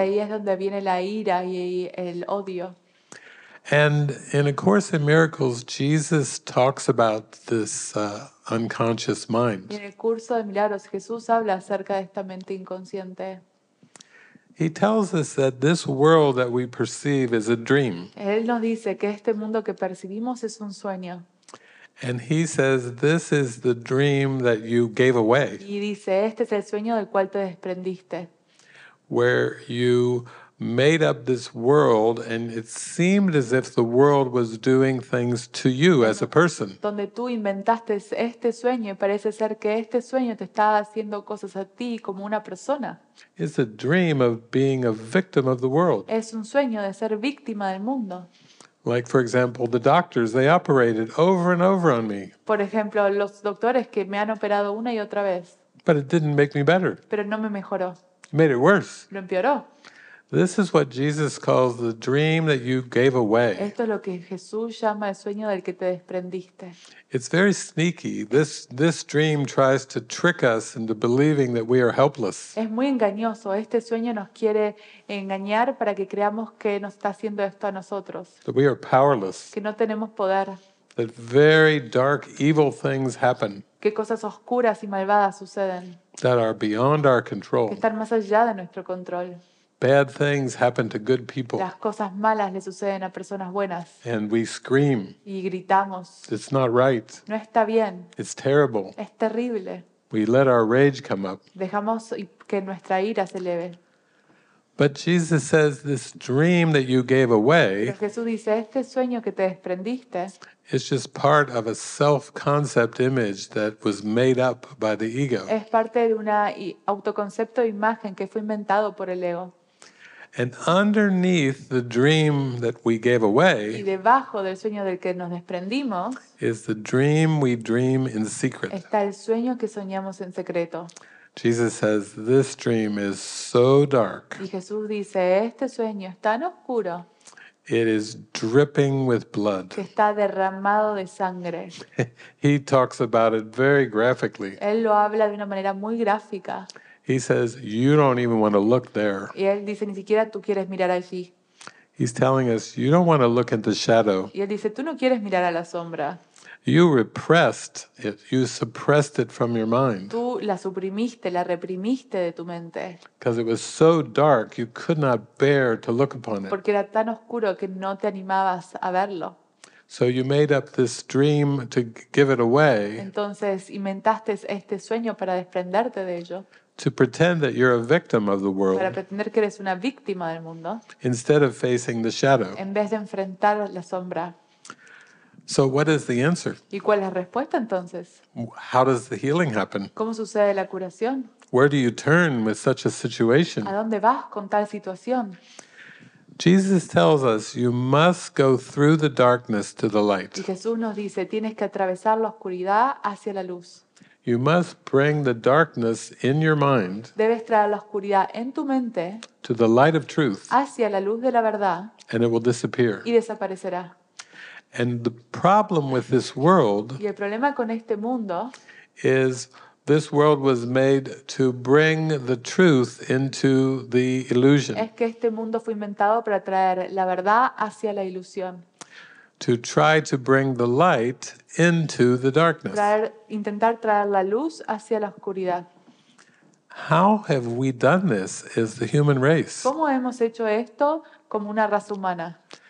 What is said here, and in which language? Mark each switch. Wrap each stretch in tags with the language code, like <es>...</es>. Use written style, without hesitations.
<es>Ahí es donde viene la ira y el odio.</es> <en>And in A Course in Miracles, Jesus talks about this unconscious mind.</en> <es>Y en el curso de milagros, Jesús habla acerca de esta mente inconsciente.</es> <en>He tells us that this world that we perceive is a dream.</en> <es>Él nos dice que este mundo que percibimos es un sueño.</es> <en>And he says, "This is the dream that you gave away."</en> <es>Y dice, este es el sueño del cual te desprendiste.</es> <en>Where you made up this world, and it seemed as if the world was doing things to you as a person.</en> <es>Donde tú inventaste este sueño, y parece ser que este sueño te estaba haciendo cosas a ti como una persona.</es> <en>It's a dream of being a victim of the world.</en> <es>Es un sueño de ser víctima del mundo.</es> <en>Like, for example, the doctors, they operated over and over on me.</en> <es>Por ejemplo, los doctores que me han operado una y otra vez.</es> <en>But it didn't make me better.</en> <es>Pero no me mejoró.</es> <en>It made it worse.</en> <es>Lo empeoró.</es> <en>This is what Jesus calls the dream that you gave away.</en> <es>Esto es lo que Jesús llama el sueño del que te desprendiste.</es> <en>It's very sneaky. This dream tries to trick us into believing that we are helpless.</en> <es>Es muy engañoso. Este sueño nos quiere engañar para que creamos que nos está haciendo esto a nosotros.</es> <en>That we are powerless.</en> <es>Que no tenemos poder.</es> <en>That very dark, evil things happen.</en> <es>Que cosas oscuras y malvadas suceden.</es> <en>That are beyond our control.</en> <es>Que están más allá de nuestro control.</es> <en>Bad things happen to good people.</en> <es>Las cosas malas le suceden a personas buenas.</es> <en>And we scream.</en> <es>Y gritamos.</es> <en>It's not right.</en> <es>No está bien.</es> <en>It's terrible.</en> <es>Es terrible.</es> <en>We let our rage come up.</en> <es>Dejamos que nuestra ira se eleve.</es> <en>But Jesus says this dream that you gave away.</en> <es>Pero Jesús dice, este sueño que te desprendiste.</es> <en>It's just part of a self-concept image that was made up by the ego.</en> <es>Es parte de una autoconcepto de imagen que fue inventado por el ego.</es> <en>And underneath the dream that we gave away,</en> <es>y debajo del sueño del que nos desprendimos,</es> <en>is the dream we dream in secret.</en> <es>Está el sueño que soñamos en secreto.</es> <en>Jesus says, "This dream is so dark."</en> <es>Y Jesús dice, este sueño es tan oscuro.</es> <en>It is dripping with blood.</en> <es>Que está derramado de sangre.</es> <en>He talks about it very graphically.</en> <es>Él lo habla de una manera muy gráfica.</es> <en>He says, you don't even want to look there.</en> <es>Y él dice, ni siquiera tú quieres mirar allí.</es> <en>He's telling us, you don't want to look at the shadow.</en> <es>Y él dice, tú no quieres mirar a la sombra.</es> <en>You repressed it. You suppressed it from your mind.</en> <es>Tú la suprimiste, la reprimiste de tu mente.</es> <en>Because it was so dark, you could not bear to look upon it.</en> <es>Porque era tan oscuro que no te animabas a verlo.</es> <en>So you made up this dream to give it away.</en> <es>Entonces inventaste este sueño para desprenderte de ello.</es> <en>To pretend that you're a victim of the world.</en> <es>Para pretender que eres una víctima del mundo.</es> <en>Instead of facing the shadow.</en> <es>En vez de enfrentar la sombra.</es> <en>So what is the answer?</en> <es>¿Y cuál es la respuesta entonces?</es> <en>How does the healing happen?</en> <es>¿Cómo sucede la curación?</es> <en>Where do you turn with such a situation?</en> <es>¿A dónde vas con tal situación?</es> <en>Jesus tells us you must go through the darkness to the light.</en> <es>Y Jesús nos dice, tienes que atravesar la oscuridad hacia la luz.</es> <en>You must bring the darkness in your mind.</en> <es>Debes traer la oscuridad en tu mente.</es> <en>To the light of truth.</en> <es>Hacia la luz de la verdad.</es> <en>And it will disappear.</en> <es>Y desaparecerá.</es> <en>And the problem with this world</en> <es>y el problema con este mundo</es> <en>is this world was made to bring the truth into the illusion.</en> <es>Es que este mundo fue inventado para traer la verdad hacia la ilusión.</es> <en>To try to bring the light into the darkness.</en> <es>Intentar traer la luz hacia la oscuridad.</es> <en>How have we done this as the human race?</en> <es>¿Cómo hemos hecho esto como una raza humana?</es>